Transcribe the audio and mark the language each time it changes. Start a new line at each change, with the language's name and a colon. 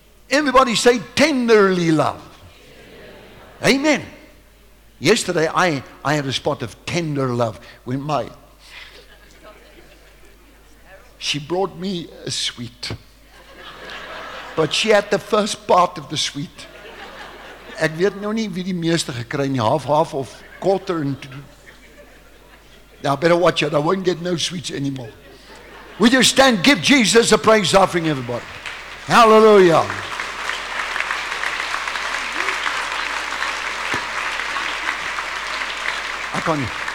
English: Everybody say, tenderly love. Tenderly. Amen. Yesterday, I had a spot of tender love when my... She brought me a sweet. But she had the first part of the sweet.
Afrikaans: Ek weet nou nie wie die meeste gekry nie, half of quarter.
English: Now better watch it, I won't get no sweets anymore. Will you stand, give Jesus a praise offering, everybody. Hallelujah. I can't.